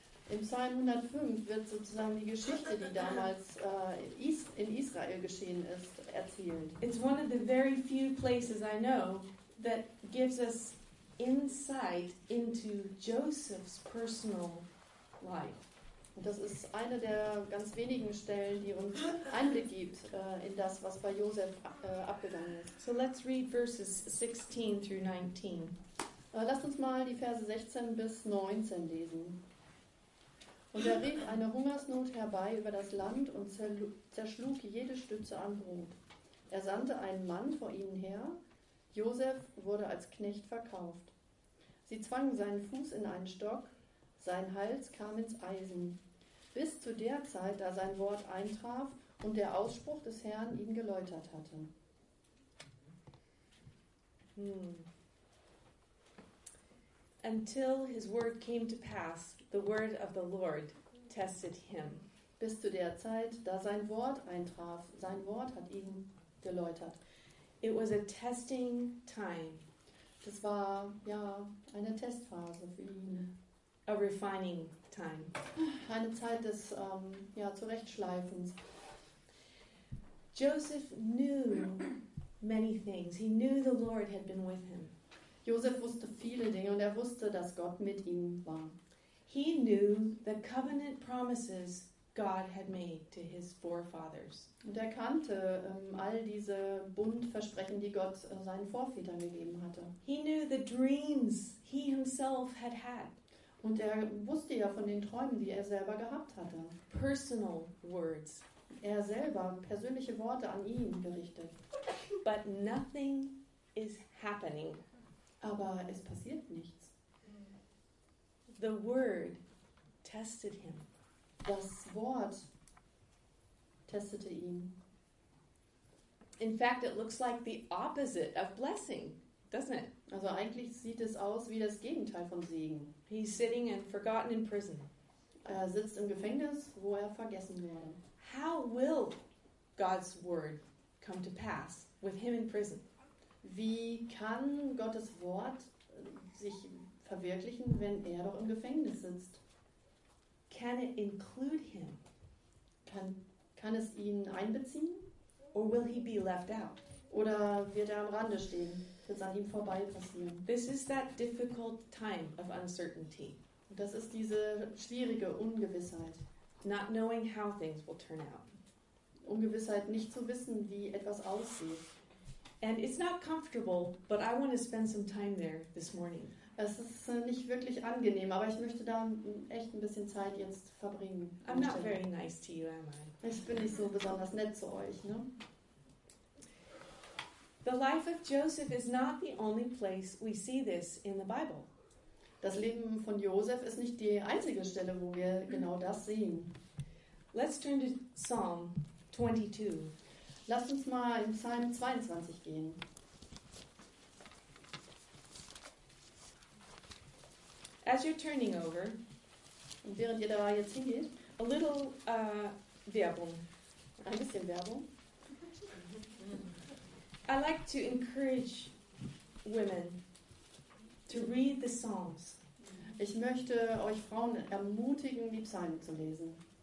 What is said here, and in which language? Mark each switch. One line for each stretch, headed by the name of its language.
German: Im Psalm 105 wird sozusagen die Geschichte, die damals in Israel geschehen ist, erzählt.
English: It's one of the very few places I know that gives us insight into Joseph's personal life.
German: Und das ist eine der ganz wenigen Stellen, die uns Einblick gibt in das, was bei Josef abgegangen ist.
English: So let's read verses 16 through 19.
German: Lasst uns mal die Verse 16 bis 19 lesen. Und er rief eine Hungersnot herbei über das Land und zerschlug jede Stütze an Brot. Er sandte einen Mann vor ihnen her. Josef wurde als Knecht verkauft. Sie zwangen seinen Fuß in einen Stock, sein Hals kam ins Eisen, bis zu der Zeit, da sein Wort eintraf und der Ausspruch des Herrn ihn geläutert hatte.
English: Until his word came to pass, the word of the Lord tested him.
German: Bis zu der Zeit, da sein Wort eintraf, sein Wort hat ihn geläutert.
English: It was a testing time.
German: Das war ja eine Testphase für ihn.
English: A refining time.
German: Eine Zeit des Zurechtschleifens.
English: Joseph knew many things. He knew the Lord had been with him.
German: Joseph wusste viele Dinge und er wusste, dass Gott mit ihm war.
English: He knew the covenant promises God had made to his forefathers.
German: Und er kannte all diese Bundversprechen, die Gott seinen Vorvätern gegeben hatte.
English: He knew the dreams he himself had had.
German: Und er wusste ja von den Träumen, die er selber gehabt hatte.
English: Personal words.
German: Er selber persönliche Worte an ihn gerichtet.
English: But nothing is happening.
German: Aber es passiert nichts.
English: The word tested him.
German: Das Wort testete ihn.
English: In fact, it looks like the opposite of blessing, doesn't it?
German: Also eigentlich sieht es aus wie das Gegenteil von Segen.
English: He's sitting and forgotten in prison.
German: Er sitzt im Gefängnis, wo er vergessen wurde.
English: How will God's word come to pass with him in prison?
German: Wie kann Gottes Wort sich verwirklichen, wenn er doch im Gefängnis sitzt?
English: Can it include him?
German: Kann es ihn einbeziehen?
English: Or will he be left out?
German: Oder wird am Rande stehen? Wird an ihm vorbei passieren?
English: This is that difficult time of uncertainty.
German: Das ist diese schwierige Ungewissheit.
English: Not knowing how things will turn out.
German: Ungewissheit, nicht zu wissen, wie etwas aussieht.
English: And it's not comfortable, but I want to spend some time there this morning.
German: Es ist nicht wirklich angenehm, aber ich möchte da echt ein bisschen Zeit jetzt verbringen.
English: I'm not very nice to you, am I?
German: Ich bin nicht so besonders nett zu euch, ne?
English: The life of Joseph is not the only place we see this in the Bible.
German: Das Leben von Joseph ist nicht die einzige Stelle, wo wir genau das sehen.
English: Let's turn to Psalm 22.
German: Lasst uns mal in Psalm 22 gehen.
English: As you're turning over,
German: Und während ihr da jetzt hingeht,
English: a little Werbung.
German: Ein bisschen Werbung.
English: I like to encourage women to read the Psalms.
German: Ich möchte euch Frauen ermutigen, die Psalmen zu lesen.